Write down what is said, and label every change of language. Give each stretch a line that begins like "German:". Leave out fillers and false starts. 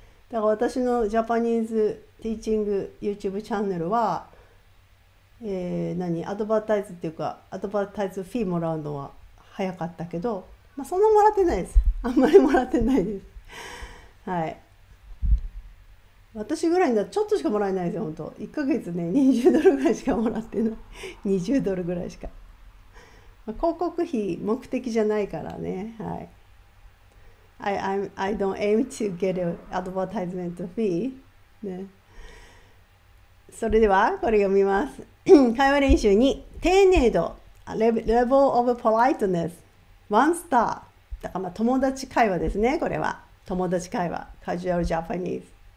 Japanese: だから私のジャパニーズティーチング YouTube チャンネルは、何アドバタイズっていうか、アドバタイズフィーもらうのは早かったけど、まあ、そんなもらってないです、あんまりもらってないです。はい、私ぐらいになちょっとしかもらえないですよ、本当。1ヶ月ね、20ドルぐらいしかもらってない。 20ドルぐらいしか。広告費目的じゃないからね。
English: I don't aim to get an advertisement fee.
Japanese: ね。それでは、これ読みます。会話練習に、丁寧度、レベルオブポライトネス、ワンスター。だから、まあ、友達会話ですね、これは。友達会話、カジュアルジャパニーズ。